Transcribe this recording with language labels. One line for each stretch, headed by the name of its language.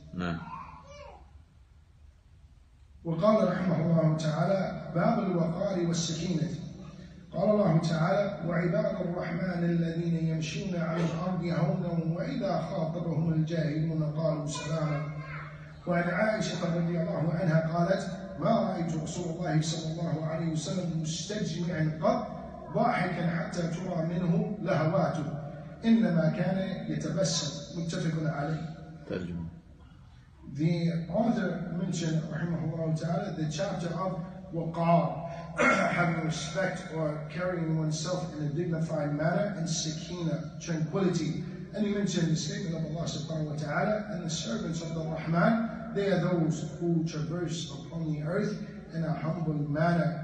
Arabic: نعم. وقال رحمه الله تعالى باب الوقار والسكينة. قال الله تعالى وعباد الرحمن الذين يمشون على الأرض هونا وإذا خاطبهم الجاهلون قالوا سلاما. وعن عائشة رضي الله عنها قالت رأيت رسول الله صلى الله عليه وسلم مستجمع القط ضاحكا حتى ترى منه لهواته إنما كان يتبسم. متفق عليه. ترجمة.
English: The author mentioned,
Arabic: رحمه الله تعالى,
English: the chapter of وقار, having respect or carrying oneself in a dignified manner and sakina, tranquility. And he mentioned the statement of Allah subhanahu wa ta'ala, and the servants of the Rahman, they are those who traverse upon the earth in a humble manner.